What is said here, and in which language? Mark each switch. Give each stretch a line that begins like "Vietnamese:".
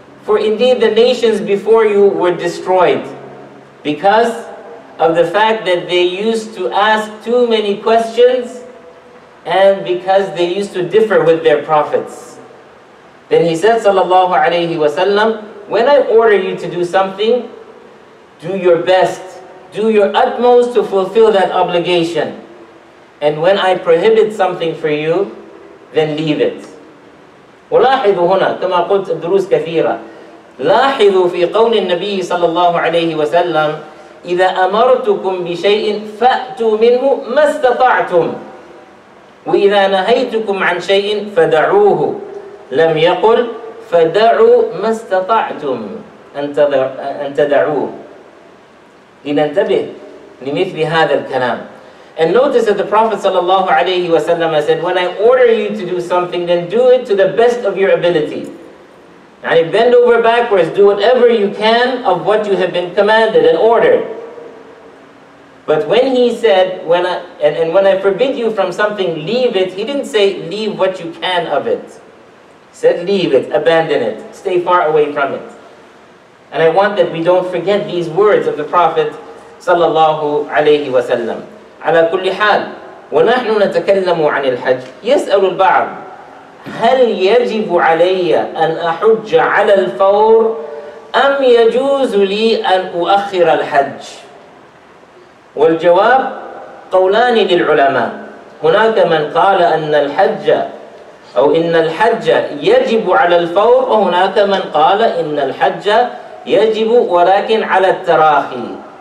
English: For indeed the nations before you were destroyed because of the fact that they used to ask too many questions and because they used to differ with their prophets. Then he said, sallallahu alayhi wasallam, when I order you to do something, do your best, do your utmost to fulfill that obligation. And when I prohibit something for you, then leave it.
Arabic: ولاحظوا هنا كما قلت الدروس كثيرة لاحظوا في قول النبي صلى الله عليه وسلم إذا أمرتكم بشيء فأتوا منه ما استطعتم وإذا نهيتكم عن شيء فدعوه لم يقل فدعوا ما استطعتم أن تدعوه لننتبه لمثل هذا الكلام.
English: And notice that the Prophet sallallahu alayhi wasallam said, when I order you to do something, then do it to the best of your ability. And bend over backwards, do whatever you can of what you have been commanded and ordered. But when he said, when I forbid you from something, leave it, he didn't say, leave what you can of it. He said, leave it, abandon it, stay far away from it. And I want that we don't forget these words of the Prophet sallallahu alayhi wasallam.
Arabic: على كل حال ونحن نتكلم عن الحج يسأل البعض هل يجب علي أن أحج على الفور أم يجوز لي أن أؤخر الحج والجواب قولان للعلماء هناك من قال أن الحج أو إن الحج يجب على الفور وهناك من قال إن الحج يجب ولكن على التراخي